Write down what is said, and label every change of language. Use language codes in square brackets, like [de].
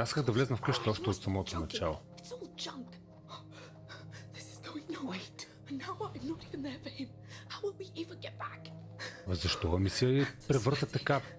[bg] Аз исках да влезна в къщата още от самото начало. [en] It's all junk. This is going no way. And now I'm not even there for him. How will we ever get back? [bg] Защо ми се превърта така?